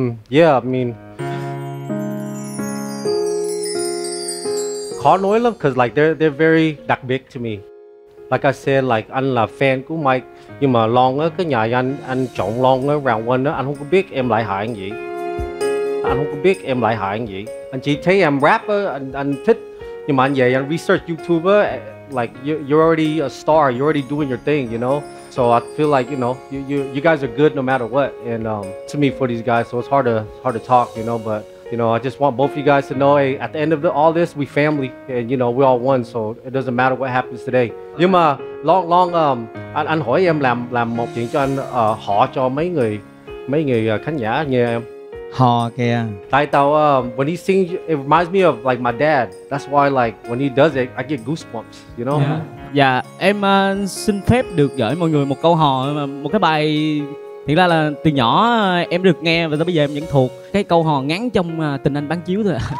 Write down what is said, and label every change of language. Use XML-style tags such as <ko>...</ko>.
<en>Yeah, I mean</en> <vi>khó nói lắm,</vi> <en>cause like they're very</en> <vi>đặc biệt</vi> <en>to me. Like I said, like</en> <vi>anh là fan của Mike, nhưng mà Long á, cái nhà anh chọn Long á,</vi> <en>round one</en> <vi>á, anh không có biết em lại hại anh gì. Anh không có biết em lại hại anh gì. Anh chỉ thấy em rap, anh thích. Nhưng mà anh về anh research YouTube,</vi> <en>like you're already a star, you're already doing your thing, you know. So I feel like, you know, you guys are good no matter what. And to me, for these guys, so it's hard to talk, you know. But you know, I just want both you guys to know, hey, at the end of all this, we family, and you know, we all one. So it doesn't matter what happens today.</en> <vi>Nhưng mà long anh hỏi em làm một chuyện cho anh họ cho mấy người khán giả nghe em. Hò kìa. Tại tao,</vi> <en>when he sings, it reminds me of like my dad. That's why like when he does it, I get goosebumps, you know?</en> <vi>Dạ, yeah. Yeah, em xin phép được gửi mọi người một câu hò, một cái bài thiệt ra là từ nhỏ em được nghe và tới bây giờ em vẫn thuộc. Cái câu hò ngắn trong Tình Anh Bán Chiếu thôi ạ.</vi>